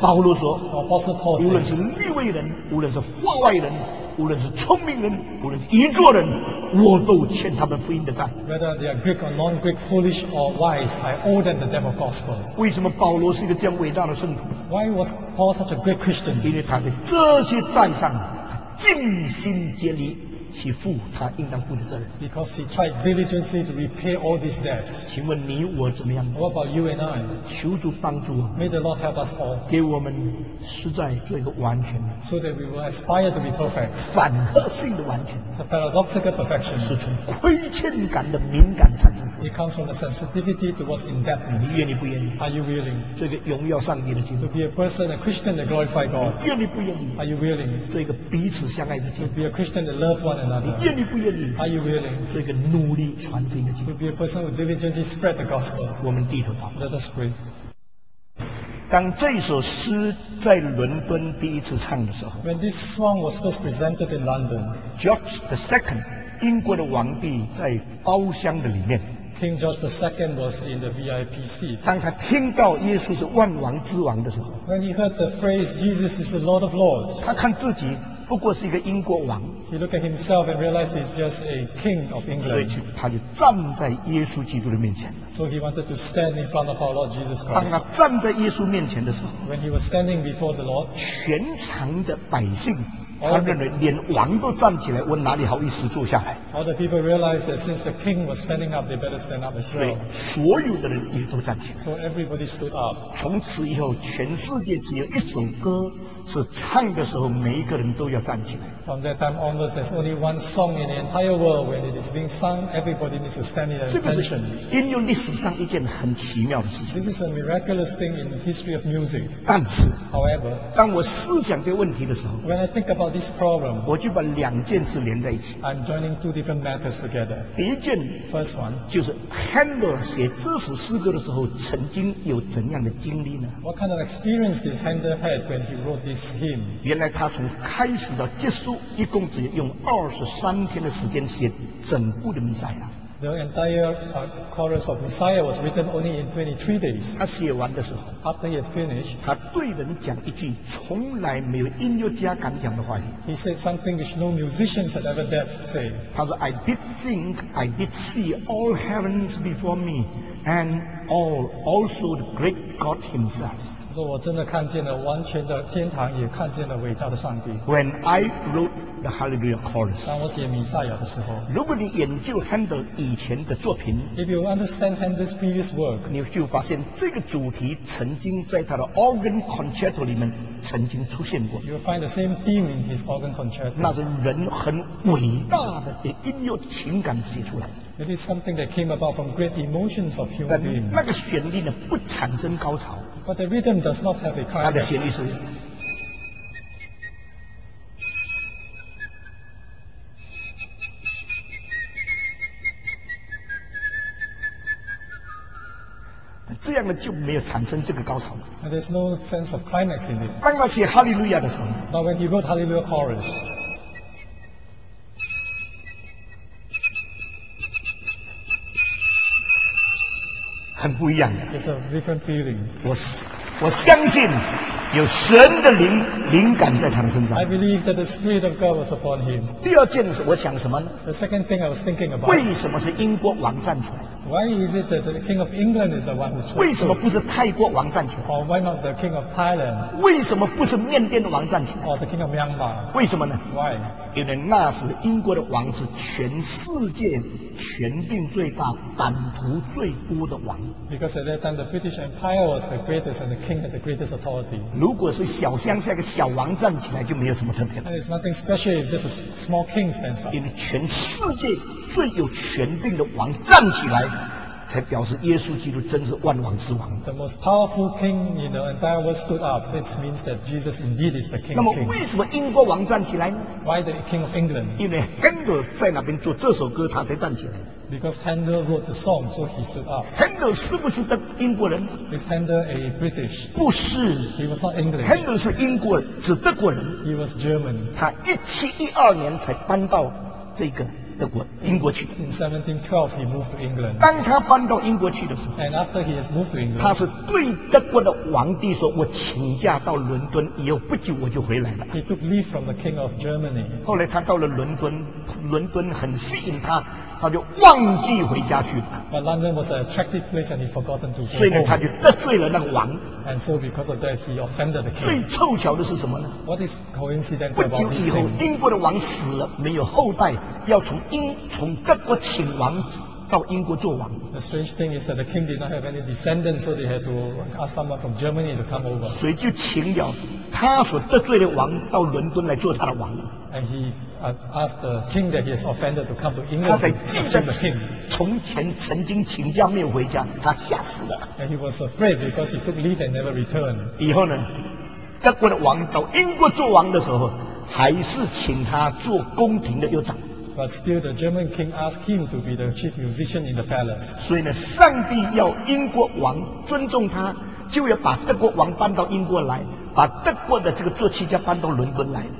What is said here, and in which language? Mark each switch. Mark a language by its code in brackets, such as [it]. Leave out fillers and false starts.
[zh] 保罗说 [en] ，Apostle Paul says, [zh] 无论是立位人，无论是法外人。无论是聪明人，无论愚拙人，我都欠他们福音的债。 [en] Whether they are Greek or non-Greek, foolish or wise, I owe them the debt of gospel. [zh] 为什么保罗是一个这样伟大的圣徒 [en] ？Why was Paul such a great Christian? [zh] 因为他在这些债上尽心竭力，去负他应当负的责任。 [en] Because he tried diligently to repay all these debts. [zh] 请问你我怎么样？ [en] What about you and I? [zh] 求主帮助我。 [en] May the Lord help us all. [zh] 给我们实在做一个完全的。 [en] So that we will aspire to be perfect. [zh] 反合性的完全。 [en] The paradoxical perfection. [zh] 是从亏欠感的敏感产生。 [en] It comes from the sensitivity towards indebtedness. [zh] 你愿意不愿意？ [en] Are you willing? [zh] 做一个荣耀上帝的基督。 [en] To be a person, a Christian that glorify God. [zh] 你愿意不愿意？ [en] Are you willing? [zh] 做一个彼此相爱的基督。 [en] To be a Christian that love one another. [zh] 你愿意不愿意？ [en] Are you willing? [zh] 做一个努力传福音的基督。 [en] To be a person who diligently spread the gospel. [zh] 我们低头祷告。 [en] Let us pray. [zh] 当这首诗在伦敦第一次唱的时候 [en] ，When this song was first presented in London, [zh] George the Second, 英国的王帝在包厢的里面 [en] ，King George the Second was in the VIP seat. [zh] 当他听到耶稣是万王之王的时候 [en] ，When he heard the phrase Jesus is the Lord of Lords, [zh] 他看自己不过是一个英国王 [en] ，He looked at himself and realized he's just a king of England. [zh] 所以他就站在耶稣基督的面前。 [en] So he wanted to stand in front of our Lord Jesus Christ. [zh] 当他站在耶稣面前的时候 [en] ，When he was standing before the Lord, [zh] 全场的百姓，他认为连王都站起来，我哪里好意思坐下来 [en] ？All the people realized that since the king was standing up, they better stand up as well. [zh] 所以所有的人也都站起来。 [en] So everybody stood up. [zh] 从此以后，全世界只有一首歌。是唱的时候，每一个人都要站起来。 [en] From that time onwards, there's only one song in the entire world when it is being sung. Everybody needs to stand in attention. [zh] 这个是音乐历史上一件很奇妙的事情。 [en] This is a miraculous thing in the history of music. [zh] 但是 [en] ，However， [zh] 当我思想这个问题的时候 [en] ，When I think about this problem， [zh] 我就把两件事连在一起。 [en] I'm joining two different matters together. [zh] 第一件 [en] ，First one， [zh] 就是 Handel 写这首诗歌的时候曾经有怎样的经历呢 [en] ？What kind of experience did Handel had when he wrote this? Him. [zh] 原来他从开始到结束一共只用23天的时间写整部的弥赛亚。 [en] The entire chorus of Messiah was written only in 23 days. [zh] 他写完的时候 [en] ，After he had finished, [zh] 他对人讲一句从来没有音乐家敢讲的话语。 [en] He said something which no musicians had ever dared to say. [zh] 他说 [en] ，I did think, I did see all heavens before me, and all also the great God Himself. [zh] 说我真的看见了完全的天堂，也看见了伟大的上帝。 [en] When I wrote the Hallelujah Chorus， [zh] 当我写弥赛亚的时候，如果你研究 Handel 以前的作品 [en] ，If you understand Handel's previous work， [zh] 你就发现这个主题曾经在他的 Organ Concerto 里面曾经出现过。 [en] You'll find the same theme in his Organ Concerto。 [zh] 那是人很伟大的的音乐情感写出来。 [en] It is something that came about from great emotions of human being。 [zh] 那个旋律呢，不产生高潮。 [en] But the rhythm does not have a climax. [zh] 他的旋律是，这样的就没有产生这个高潮了。 [en] And there's no sense of climax in it. [zh] 当他写哈利路亚的时候 [en] ，But when he wrote Hallelujah Chorus. [zh] 很不一样的。 [en] It's a different feeling. [zh] 我相信有神的灵感在他的身上。 [en] I believe that the spirit of God was upon him. [zh] 第二件事，我想什么呢 [en] ？The second thing I was thinking about. [zh] 为什么是英国王站出来 [en] ？Why is it that the king of England is the one who chose? [zh] 为什么不是泰国王站出来 [en] ？Or why not the king of Thailand? [zh] 为什么不是缅甸王站出来 [en] ？Or the king of Myanmar? [zh] 为什么呢 [en] ？Why? [zh] 因为那时英国的王是全世界权柄最大、版图最多的王。 [en] Because at that time the British Empire was the greatest and the king had the greatest authority. [zh] 如果是小乡下一个小王站起来，就没有什么特别。 [en] And it's nothing special if just a small king stands up. [zh] 因为全世界最有权柄的王站起来。才表示耶稣基督真是万王之王。 [en] The most powerful king in the entire world stood up. This means that Jesus indeed is the king. [zh] 那么为什么英国王站起来呢 [en] ？Why the king of England？ [zh] 因为 Handel 在那边做这首歌，他才站起来。 [en] Because Handel wrote the song, so he stood up. [zh] Handel 是不是的英国人 [en] ？Is Handel a British？ [zh] 不是 [en] ，He was not English. [zh] Handel 是英国，是德国人。 [en] He was German. [zh] 他1712年才搬到这个。德国英国去 [en] In 1712 he moved to England. [zh] 当他搬到英国去的时候 [en] And after he has moved to England, [zh] 他是对德国的王帝说我请假到伦敦以后不久我就回来了 [en] He took leave from the king of Germany. [zh] 后来他到了伦敦很吸引他他就忘记回家去了。 [en] But London was an attractive place and he forgotten to go home. [zh] 所以呢，他就得罪了那个王。 [en] And so because of that, he offended the king. [zh] 最凑巧的是什么呢？ [en] What is coincidental about this thing? [zh] 不久以后，英国的王死了，没有后代，要从各国请王到英国做王。 [en] The strange thing is that the king did not have any descendants, so they had to ask someone from Germany to come over. [zh] 所以就请了他所得罪的王到伦敦来做他的王。 [en] And he asked the king that he has offended to come to England. [zh] 他在记得从前曾经请假没有回家，他吓死了。 [en] And he was afraid because he took leave and never returned. [zh] 以后呢，各国的王到英国做王的时候，还是请他做宫廷的乐长。 [en] But still, the German king asked him to be the chief musician in the palace. [zh] 所以呢，上帝要英国王尊重他，就要把德国王搬到英国来，把德国的这个作曲家搬到伦敦来。